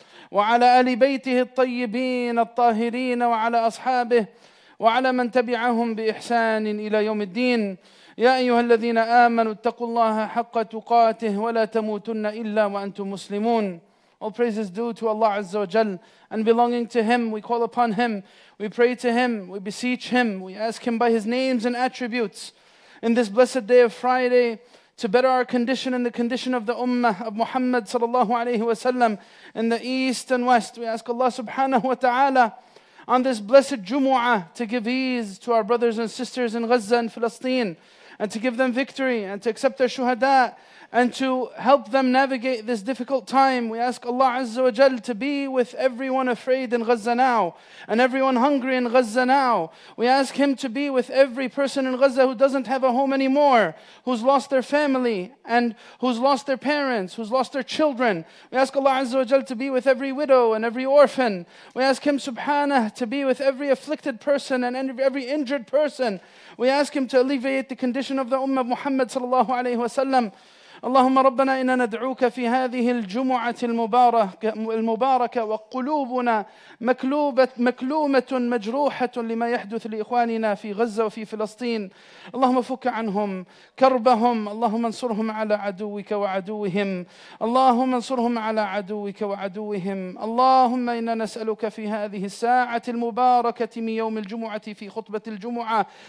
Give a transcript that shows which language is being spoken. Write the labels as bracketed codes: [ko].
[ar] وعلى آل بيته الطيبين الطاهرين وعلى أصحابه وعلى من تبعهم بإحسان إلى يوم الدين يا أيها الذين آمنوا اتقوا الله حق تقاته ولا تموتن إلا وأنتم مسلمون [en] All praises due to Allah Azza wa Jal and belonging to Him, we call upon Him, we pray to Him, we beseech Him, we ask Him by His names and attributes in this blessed day of Friday to better our condition and the condition of the Ummah of Muhammad sallallahu alayhi wa sallam in the East and West. We ask Allah subhanahu wa ta'ala on this blessed Jumu'ah to give ease to our brothers and sisters in Gaza and Palestine and to give them victory and to accept their shuhada and to help them navigate this difficult time. We ask Allah Azza wa Jal to be with everyone afraid in Gaza now and everyone hungry in Gaza now. We ask Him to be with every person in Gaza who doesn't have a home anymore, who's lost their family and who's lost their parents, who's lost their children. We ask Allah Azza wa Jal to be with every widow and every orphan. We ask Him Subhanah to be with every afflicted person and every injured person. We ask Him to alleviate the condition of the Ummah of Muhammad sallallahu alayhi wa sallam. [ar] اللهم ربنا إنا ندعوك في هذه الجمعة المباركة وقلوبنا مكلومة مجروحة لما يحدث لإخواننا في غزة وفي فلسطين اللهم فك عنهم كربهم اللهم انصرهم على عدوك وعدوهم اللهم انصرهم على عدوك وعدوهم اللهم إنا نسألك في هذه الساعة المباركة من يوم الجمعة في خطبة الجمعة